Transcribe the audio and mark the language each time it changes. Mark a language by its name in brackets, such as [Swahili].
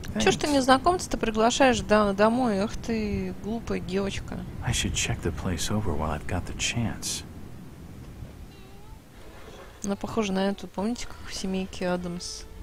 [Russian] Чё ж ты незнакомца-то приглашаешь домой? Ах ты, глупая девочка. [English] I should check the place over while I've got the chance. [Russian] Она похожа на эту, помните, как в семейке Адамс?